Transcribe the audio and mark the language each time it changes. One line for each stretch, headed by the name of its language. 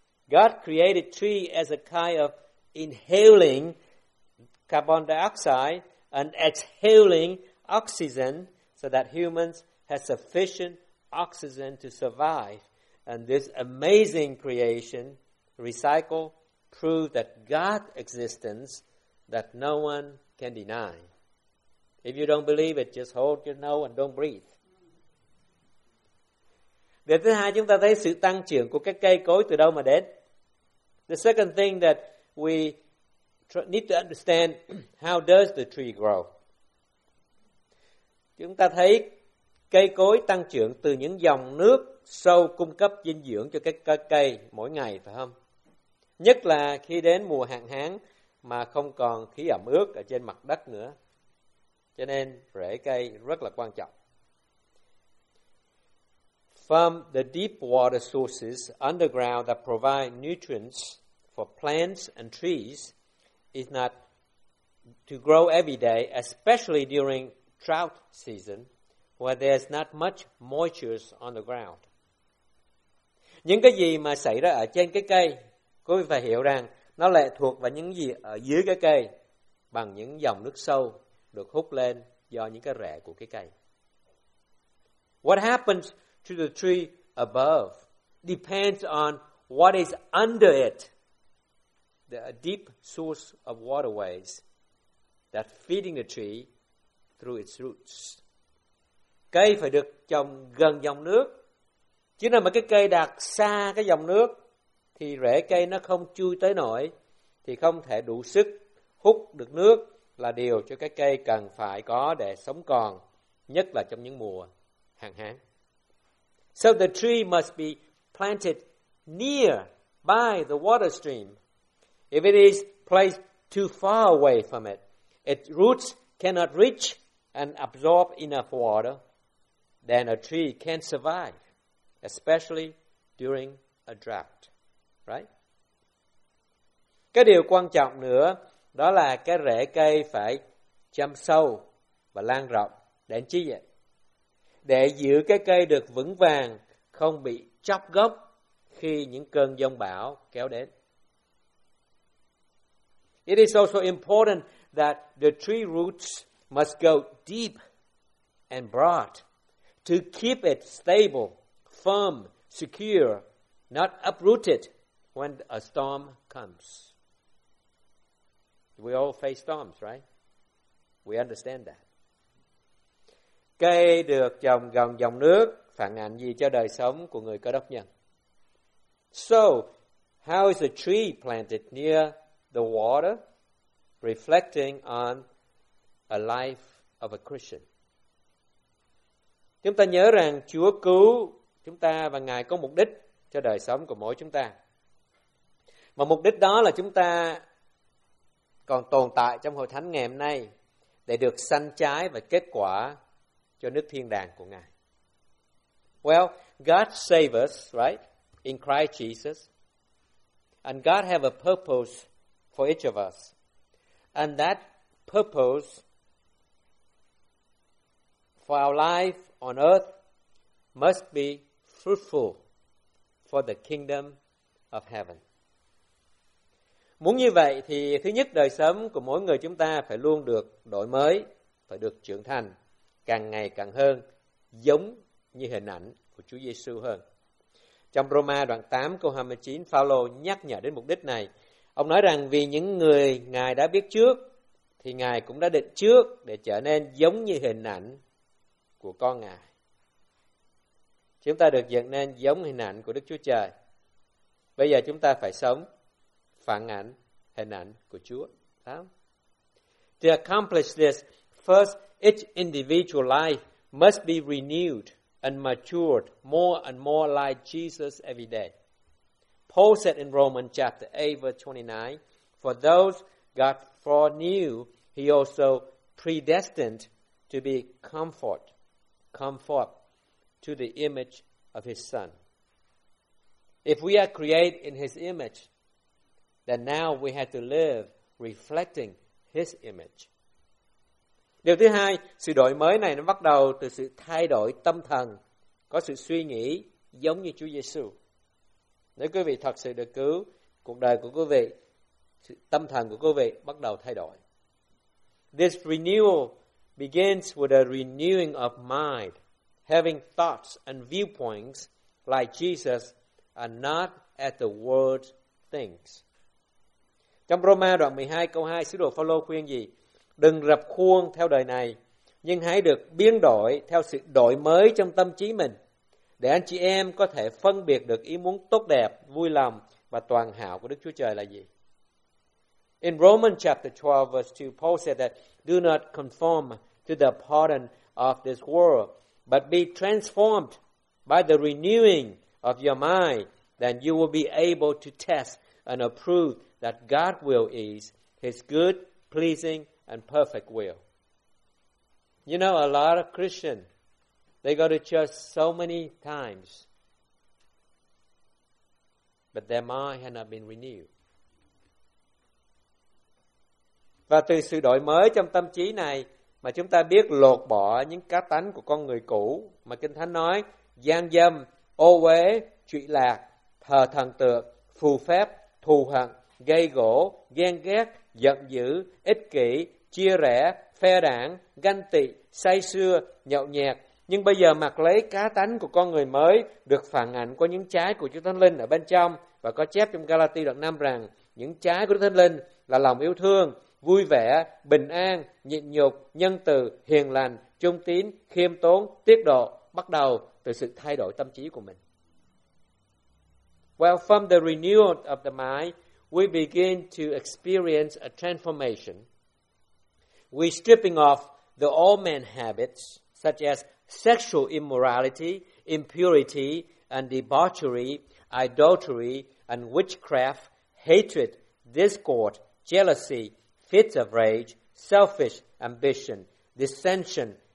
English: God created tree as a kind of inhaling carbon dioxide and exhaling oxygen so that humans has sufficient oxygen to survive. And this amazing creation, recycle, proved that God's existence that no one can deny. If you don't believe it, just hold your nose and don't breathe.
Vietnamese: Điều thứ hai, chúng ta thấy sự tăng trưởng của các cây cối từ đâu mà đến.
English: The second thing that we need to understand how does the tree grow.
Vietnamese: Chúng ta thấy cây cối tăng trưởng từ những dòng nước sâu cung cấp dinh dưỡng cho các cây mỗi ngày, phải không? Nhất là khi đến mùa hạn hán mà không còn khí ẩm ướt ở trên mặt đất nữa. Cho nên rễ cây rất là quan trọng.
English: From the deep water sources underground that provide nutrients for plants and trees is not to grow every day, especially during drought season, where there's not much moisture on the ground.
Vietnamese: Những cái gì mà xảy ra ở trên cái cây, quý vị phải hiểu rằng nó lệ thuộc vào những gì ở dưới cái cây bằng những dòng nước sâu được hút lên do những cái rễ của cái cây.
English: What happens to the tree above depends on what is under it, the deep source of waterways that feeding the tree through its roots.
Vietnamese: Cây phải được trồng gần dòng nước. Chứ nào mà cái cây đặt xa cái dòng nước thì rễ cây nó không chui tới nổi, thì không thể đủ sức hút được nước, là điều cho cái cây cần phải có để sống còn, nhất là trong những mùa hạn hán.
English: So the tree must be planted near by the water stream. If it is placed too far away from it, its roots cannot reach and absorb enough water, then a tree can't survive, especially during a drought. Right?
Vietnamese: Cái điều quan trọng nữa, đó là cái rễ cây phải chăm sâu và lan rộng. Để chi vậy? Để giữ cái cây được vững vàng, không bị chóc gốc khi những cơn giông bão kéo đến.
English: It is also important that the tree roots must go deep and broad to keep it stable, firm, secure, not uprooted when a storm comes. We all face storms, right? We understand that.
Vietnamese: Cây được trồng gần dòng nước phản ánh gì cho đời sống của người Cơ Đốc nhân?
English: So, how is a tree planted near the water reflecting on a life of a Christian?
Vietnamese: Chúng ta nhớ rằng Chúa cứu chúng ta và Ngài có mục đích cho đời sống của mỗi chúng ta. Mà mục đích đó là chúng ta còn tồn tại trong hội thánh ngày hôm nay để được sanh trái và kết quả cho nước thiên đàng của Ngài.
English: Well, God saves us, right, in Christ Jesus. And God have a purpose for each of us. And that purpose for our life on earth must be fruitful for the kingdom of heaven.
Vietnamese: Muốn như vậy thì thứ nhất, đời sống của mỗi người chúng ta phải luôn được đổi mới, phải được trưởng thành càng ngày càng hơn, giống như hình ảnh của Chúa Giêsu hơn. Trong Roma đoạn 8 câu 29, Phaolô nhắc nhở đến mục đích này. Ông nói rằng vì những người Ngài đã biết trước, thì Ngài cũng đã định trước để trở nên giống như hình ảnh của con Ngài. Chúng ta được dựng nên giống hình ảnh của Đức Chúa Trời. Bây giờ chúng ta phải sống phản ảnh hình ảnh của Chúa.
English: To accomplish this, first, each individual life must be renewed and matured more and more like Jesus every day. Paul said in Romans chapter 8, verse 29, for those God foreknew, he also predestined to be conformed to the image of his Son. If we are created in his image, then now we have to live reflecting his image.
Vietnamese: Điều thứ hai, sự đổi mới này nó bắt đầu từ sự thay đổi tâm thần, có sự suy nghĩ giống như Chúa Giêsu. Nếu quý vị thật sự được cứu, cuộc đời của quý vị, sự tâm thần của quý vị bắt đầu thay đổi.
English: This renewal begins with a renewing of mind, having thoughts and viewpoints like Jesus and not as the world thinks.
Vietnamese: Trong Roma đoạn 12 câu 2, sứ đồ Phaolô khuyên gì? Đừng rập khuôn theo đời này, nhưng hãy được biến đổi theo sự đổi mới trong tâm trí mình, để anh chị em có thể phân biệt được ý muốn tốt đẹp, vui lòng và toàn hảo của Đức Chúa Trời là gì.
English: In Romans chapter 12, verse 2, Paul said that do not conform to the pattern of this world, but be transformed by the renewing of your mind, then you will be able to test and approve that God's will is His good, pleasing, and perfect will. You know, a lot of Christians, they go to church so many times, but their mind has not been renewed.
Vietnamese: Và từ sự đổi mới trong tâm trí này mà chúng ta biết lột bỏ những cá tánh của con người cũ mà Kinh Thánh nói gian dâm, ô uế, trụy lạc, thờ thần tượng, phù phép, thù hận, gây gổ, ghen ghét, giận dữ, ích kỷ, chia rẽ, phe đảng, ganh tị, say sưa, nhậu nhẹt. Nhưng bây giờ mặc lấy cá tánh của con người mới được phản ảnh qua những trái của Chúa Thánh Linh ở bên trong, và có chép trong Galati đoạn 5 rằng những trái của Chúa Thánh Linh là lòng yêu thương, vui vẻ, bình an, nhịn nhục, nhân từ, hiền lành, trung tín, khiêm tốn, tiết độ, bắt đầu từ sự thay đổi tâm trí của mình.
English: Well, from the renewal of the mind, we begin to experience a transformation. We stripping off the old man habits, such as sexual immorality, impurity, and debauchery, idolatry, and witchcraft, hatred, discord, jealousy, fits of rage, selfish ambition, dissension,